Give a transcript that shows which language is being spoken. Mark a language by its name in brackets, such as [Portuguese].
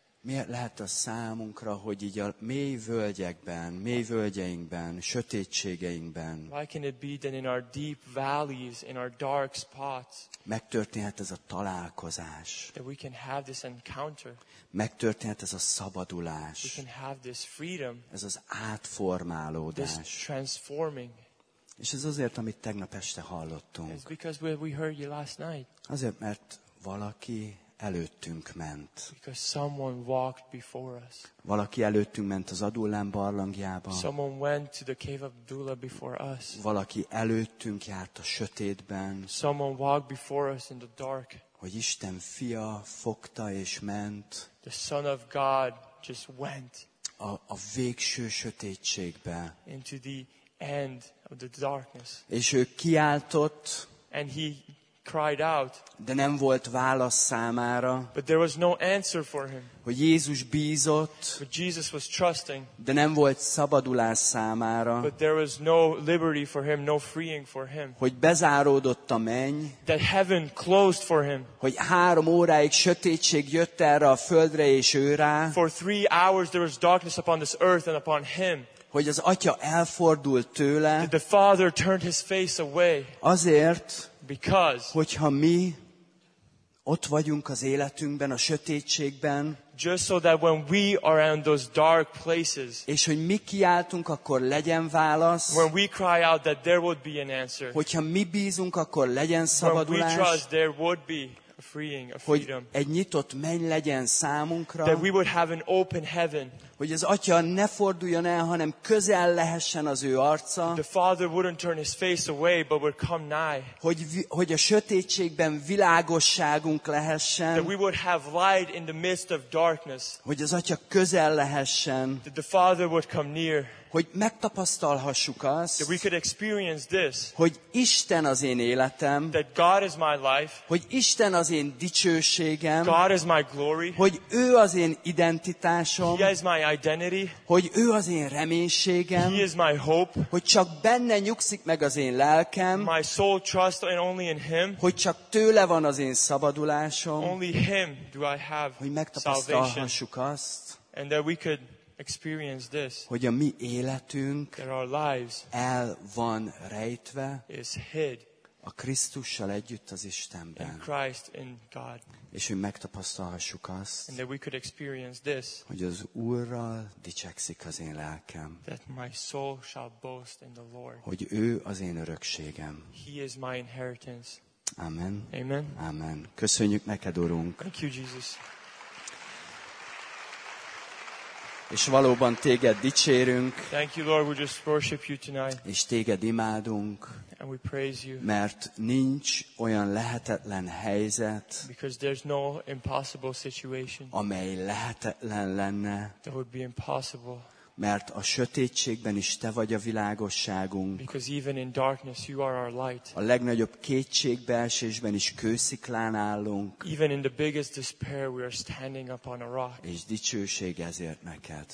[Hungarian] Miért lehet az számunkra, hogy így a mély völgyekben, mély völgyeinkben, sötétségeinkben? [English] Why can it be that in our deep valleys, in our dark spots? [Hungarian] Megtörténhet ez a találkozás. [English] That we can have this encounter. [Hungarian] Megtörténhet ez a szabadulás. [English] We can have this freedom. [Hungarian] Ez az átformálódás. [English] This transforming. [Hungarian] És ez azért, amit tegnap este hallottunk. [English] It's because we heard you last night. [Hungarian] Azért, mert valaki előttünk ment. [English] Because someone walked before us. [Hungarian] Valaki előttünk ment az Adullám barlangjába. [English] Someone went to the cave of Adullam before us. [Hungarian] Valaki előttünk járt a sötétben. [English] Someone walked before us in the dark. [Hungarian] Hogy Isten fia fogta és ment. [English] The Son of God just went. [Hungarian] A végső sötétségbe. [English] Into the end of the darkness. [Hungarian] És ő kiáltott. [English] And he cried out. [Hungarian] De nem volt válasz számára. [English] But there was no answer for him. [Hungarian] Hogy Jézus bízott. [English] But Jesus was trusting. [Hungarian] De nem volt szabadulás számára. [English] But there was no liberty for him, no freeing for him. [Hungarian] Hogy bezáródott a menny. [English] That heaven closed for him. [Hungarian] Hogy három óráig sötétség jött erre a földre és őrá. [English] For 3 hours there was darkness upon this earth and upon him. [Hungarian] Hogy az atya elfordult tőle. [English] That the father turned his face away. [Hungarian] Azért. [English] Because, [Hungarian] hogyha mi ott vagyunk az életünkben, a sötétségben, [English] just so that when we are in those dark places, [Hungarian] és hogy mi kiáltunk, akkor legyen válasz, [English] when we cry out that there would be an answer, [Hungarian] hogyha mi bízunk, akkor legyen szabadulás, [English] when we trust there would be a freeing, a freedom, [Hungarian] hogy egy nyitott menny legyen számunkra, [English] that we would have an open heaven, [Hungarian] hogy az atya ne forduljon el, hanem közel lehessen az ő arca. [English] The father wouldn't turn his face away, but would come nigh. [Hungarian] Hogy a sötétségben világosságunk lehessen. [English] That we would have light in the midst of darkness. [Hungarian] Hogy az atya közel lehessen. [English] That the father would come near. [Hungarian] Hogy megtapasztalhassuk azt. [English] That we could experience this. [Hungarian] Hogy Isten az én életem. [English] That God is my life. [Hungarian] Hogy Isten az én dicsőségem. [English] God is my glory. [Hungarian] Hogy ő az én identitásom. [English] He is my identity. [Hungarian] Hogy ő az én reménységem. [English] He is my hope. [Hungarian] Hogy csak benne nyugszik meg az én lelkem. [English] My soul trusts and only in him. [Hungarian] Hogy csak tőle van az én szabadulásom. [English] Only him do I have. [Hungarian] Hogy megtapasztalhassuk azt. [English] And that we could experience this. [Hungarian] Hogy a mi életünk, [English] that our lives, [Hungarian] el van rejtve, [English] is hid, [Hungarian] a Krisztussal együtt az Istenben. [English] In Christ, in God. [Hungarian] És hogy megtapasztalhassuk azt, [English] and that we could experience this, [Hungarian] hogy az Úrral dicsekszik az én lelkem, [English] that my soul shall boast in the Lord. [Hungarian] Hogy ő az én örökségem. [English] He is my inheritance. [Hungarian] Amen. [English] Amen. [Hungarian] Amen. Köszönjük neked, Urunk. [English] Thank you, Jesus. [Hungarian] És valóban téged dicsérünk. [English] Thank you, Lord, we just worship you tonight. [Hungarian] És téged imádunk. [English] And we praise you. [Hungarian] Mert nincs olyan lehetetlen helyzet, [English] because there's no impossible situation, [Hungarian] amely lehetetlen lenne. [English] That would be impossible. [Hungarian] Mert a sötétségben is te vagy a világosságunk. [English] Because even in darkness you are our light. [Hungarian] A legnagyobb kétségbeesésben is kősziklán állunk. [English] Even in the biggest despair we are standing upon a rock. [Hungarian] És dicsőség ezért neked.